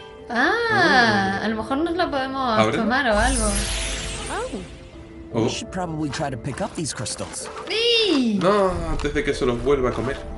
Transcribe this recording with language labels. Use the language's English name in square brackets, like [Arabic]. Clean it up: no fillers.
[Spanish] A lo mejor nos la podemos tomar o algo. [English] We should probably try to pick up these crystals. [Spanish] ¡Sí! No, antes de que se los vuelva a comer.